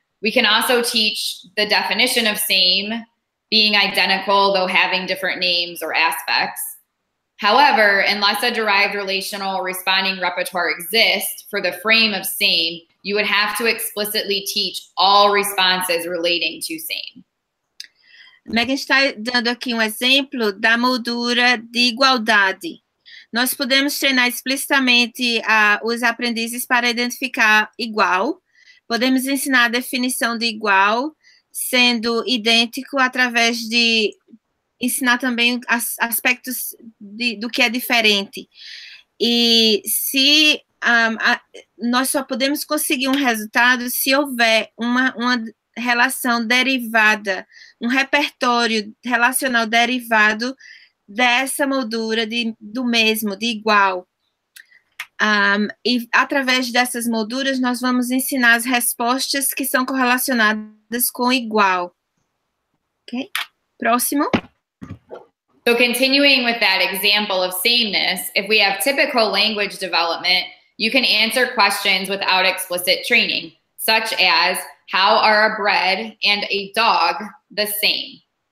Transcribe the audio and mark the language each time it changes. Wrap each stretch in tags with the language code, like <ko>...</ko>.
<en>We can also teach the definition of same being identical though having different names or aspects. However, unless a derived relational responding repertoire exists for the frame of same, you would have to explicitly teach all responses relating to same.</en> <pt>Megan está dando aqui um exemplo da moldura de igualdade. Nós podemos treinar explicitamente os aprendizes para identificar igual. Podemos ensinar a definição de igual sendo idêntico através de ensinar também aspectos do que é diferente. E se nós só podemos conseguir um resultado se houver uma relação derivada, um repertório relacional derivado dessa moldura do mesmo, de igual. E através dessas molduras, nós vamos ensinar as respostas que são correlacionadas com igual. Ok? Próximo.</pt> <en>So continuing with that example of sameness, if we have typical language development, you can answer questions without explicit training, such as, how are a bread and a dog the same?</en>